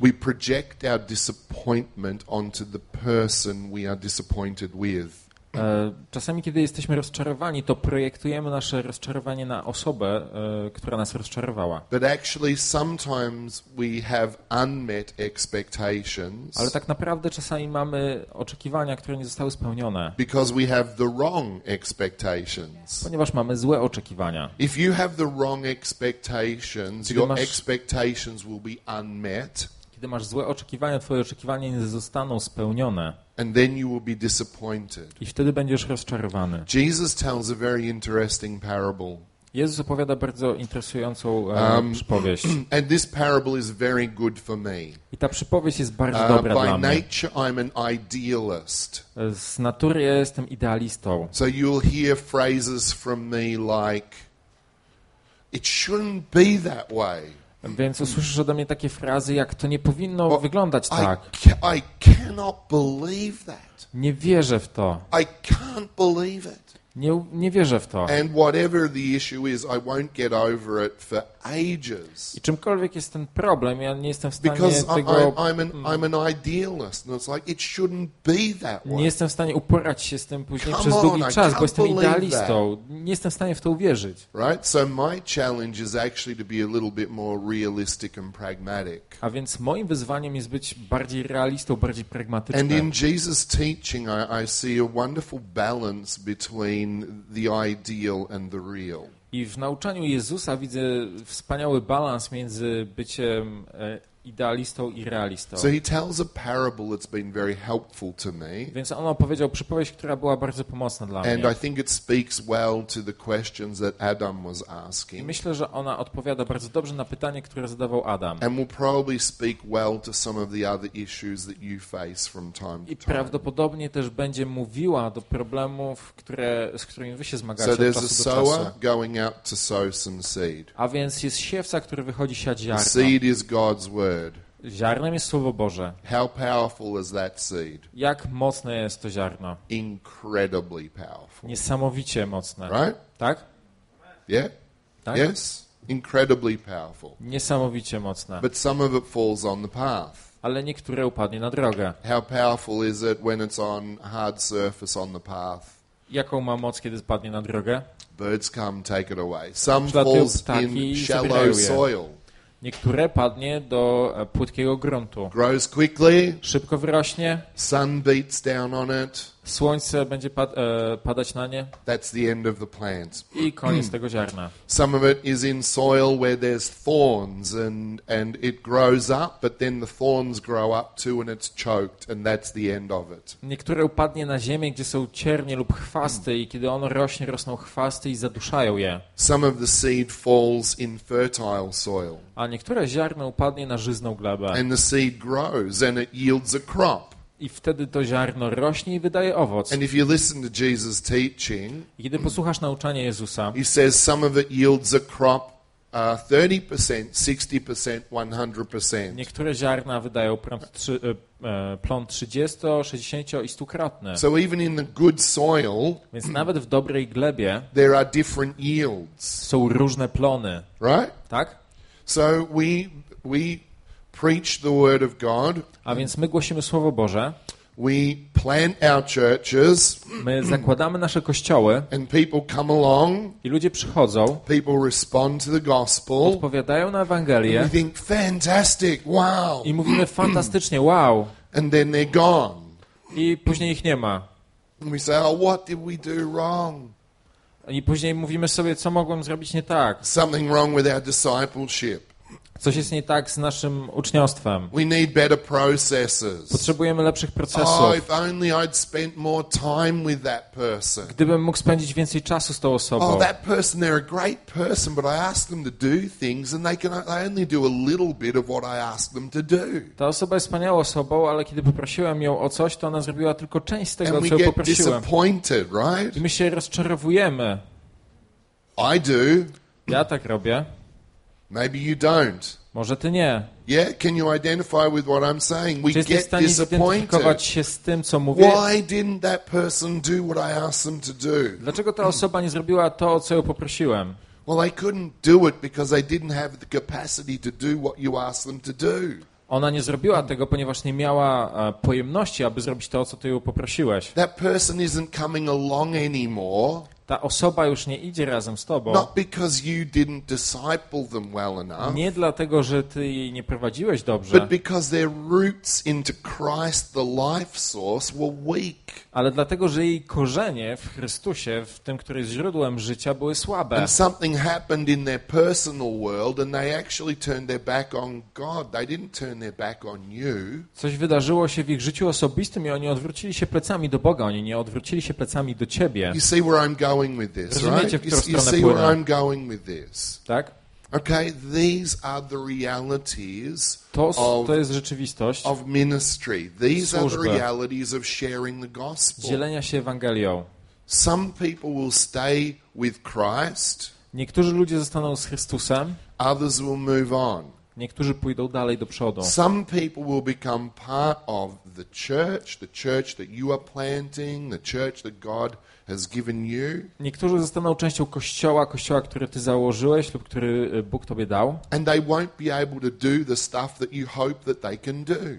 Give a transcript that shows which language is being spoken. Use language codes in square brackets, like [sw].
[en] we project our disappointment onto the person we are disappointed with. [pl] Czasami kiedy jesteśmy rozczarowani, to projektujemy nasze rozczarowanie na osobę, która nas rozczarowała. [en] But actually sometimes we have unmet expectations. [pl] Ale tak naprawdę czasami mamy oczekiwania, które nie zostały spełnione. [en] Because we have the wrong expectations. [pl] Ponieważ mamy złe oczekiwania. [en] If you have the wrong expectations, your expectations will be unmet. [pl] Kiedy masz złe oczekiwania, twoje oczekiwania nie zostaną spełnione. [en] And then you will be disappointed. [pl] I wtedy będziesz rozczarowany. [en] Jesus tells a very interesting parable. [pl] Jezus opowiada bardzo interesującą przypowieść. [en] And this parable is very good for me. [pl] I ta przypowieść jest bardzo dobra dla mnie. [en] By nature I'm an idealist. [pl] Z natury ja jestem idealistą. [en] So you'll hear phrases from me like, it shouldn't be that way. [pl] Więc usłyszysz ode mnie takie frazy, jak to nie powinno wyglądać tak. [en] I cannot believe that. [pl] Nie wierzę w to. [en] I can't believe it. [pl] Nie wierzę w to. [en] And whatever the issue is, I won't get over it for ages. [pl] I czymkolwiek jest ten problem, ja nie jestem w stanie [en] I'm an idealist, and it's like it shouldn't be that way. [pl] Nie jestem w stanie uporać się z tym później przez długi czas, bo jestem idealistą. Nie jestem w stanie w to uwierzyć. [en] Right? So my challenge is actually to be a little bit more realistic and pragmatic. [pl] A więc moim wyzwaniem jest być bardziej realistą, bardziej pragmatycznym. [en] And in Jesus' teaching, I see a wonderful balance between the ideal and the real. [pl] I w nauczaniu Jezusa widzę wspaniały balans między byciem idealistą i realistą. [en] So he tells a parable that's been very helpful to me. [pl] Więc on opowiedział przypowieść, która była bardzo pomocna dla mnie. [en] And I think it speaks well to the questions that Adam was asking. [pl] I myślę, że ona odpowiada bardzo dobrze na pytanie, które zadawał Adam. [en] And will probably speak well to some of the other issues that you face from time to time. [pl] I prawdopodobnie też będzie mówiła do problemów, z którymi wy się zmagacie od czasu do czasu. [en] So there's a sower going out to sow some seed. [pl] A więc jest siewca, który wychodzi siać ziarno. [en] The seed is God's word. [pl] Ziarnem jest Słowo Boże. [en] How powerful is that seed? [pl] Jak mocne jest to ziarno? [en] Incredibly powerful. [pl] Niesamowicie mocne. [en] Right? [pl] Tak? [en] Yeah. [pl] Tak? [en] Yes. Incredibly powerful. [pl] Niesamowicie mocne. [en] But some of it falls on the path. [pl] Ale niektóre upadnie na drogę. [en] How powerful is it when it's on hard surface on the path? [pl] Jaką ma moc, kiedy spadnie na drogę? [en] Birds come, take it away. Some falls in shallow soil. [pl] Niektóre padnie do płytkiego gruntu. [en] Grows quickly. [pl] Szybko wyrośnie. [en] Sun beats down on it. [pl] Słońce będzie padać na nie. [en] That's the end of the plant. [pl] I koniec tego ziarna. [en] Some of it is in soil where there's thorns and it grows up, but then the thorns grow up too and it's choked and that's the end of it. [pl] Niektóre upadnie na ziemię, gdzie są ciernie lub chwasty i kiedy ono rośnie, rosną chwasty i zaduszają je. [en] Some of the seed falls in fertile soil. [pl] A niektóre ziarno upadnie na żyzną glebę. [en] And the seed grows and it yields a crop. [pl] I wtedy to ziarno rośnie i wydaje owoc. [en] And if you listen to Jesus' teaching, [pl] kiedy posłuchasz nauczania Jezusa, [en] he says some of it yields a crop 30%, 60%, 100%. [pl] Niektóre ziarna wydają plon 30, 60 i 100-krotne. [en] So even in the good soil, [pl] więc nawet w dobrej glebie, [en] there are different yields. [pl] Są różne plony. [en] Right? [pl] Tak? [en] So we preach the word of God. [pl] A więc my głosimy Słowo Boże. [en] We plant our churches. [pl] My zakładamy nasze kościoły. [en] And people come along. [pl] I ludzie przychodzą. [en] People respond to the gospel. [pl] Odpowiadają na Ewangelię. [en] And we think fantastic. Wow. [pl] I mówimy fantastycznie. Wow. [en] And then they're gone. [pl] I później ich nie ma. [en] And we say, oh, what did we do wrong? [pl] I później mówimy sobie, co mogłem zrobić nie tak. [en] Something wrong with our discipleship. [pl] Coś jest nie tak z naszym uczniostwem. [en] We need better processes. [pl] Potrzebujemy lepszych procesów. [en] Oh, if only I'd spent more time with that person. [pl] Gdybym mógł spędzić więcej czasu z tą osobą. [en] Oh, that person, they're a great person, but I ask them to do things and they only do a little bit of what I ask them to do. [pl] Ta osoba jest wspaniałą osobą, ale kiedy poprosiłem ją o coś, to ona zrobiła tylko część z tego, co [en] we [pl] ją [en] get [pl] poprosiłem. [en] Disappointed, right? [pl] I my się rozczarowujemy. [en] I do. [pl] Ja tak robię. [en] Maybe you don't. [pl] Może ty nie. [en] Yeah, can you identify with what I'm saying? We get disappointed. [pl] Się z tym, co mówię? [en] Why didn't that person do what I asked them to do? [pl] Dlaczego ta osoba nie zrobiła to, o co ją poprosiłem? [en] Well, they couldn't do it because they didn't have the capacity to do what you asked them to do. [pl] Ona nie zrobiła tego, ponieważ nie miała pojemności, aby zrobić to, o co ty ją poprosiłeś. [en] That person isn't coming along anymore. [pl] Ta osoba już nie idzie razem z tobą. [en] Not because you didn't disciple them well enough. [pl] Nie dlatego, że ty jej nie prowadziłeś dobrze. [en] But because their roots into Christ, the life source, were weak. [pl] Ale dlatego, że jej korzenie w Chrystusie, w tym, który jest źródłem życia, były słabe. [en] And something happened in their personal world and they actually turned their back on God. They didn't turn their back on you. [pl] Coś wydarzyło się w ich życiu osobistym i oni odwrócili się plecami do Boga, oni nie odwrócili się plecami do ciebie. [en] You see where I'm going with this, right? You see where I'm going with this. [pl] Tak? [en] Okay, these are the realities [pl] to jest rzeczywistość [en] of ministry. These are the realities of sharing the gospel. [pl] Dzielenia się Ewangelią. [en] Some people will stay with Christ. [pl] Niektórzy ludzie zostaną z Chrystusem. [en] Others will move on. [pl] Niektórzy pójdą dalej do przodu. [en] Some people will become part of the church that you are planting, the church that God has given you. [pl] Niektórzy zostaną częścią kościoła, kościoła, który ty założyłeś lub który Bóg tobie dał. [en] And they won't be able to do the stuff that you hope that they can do.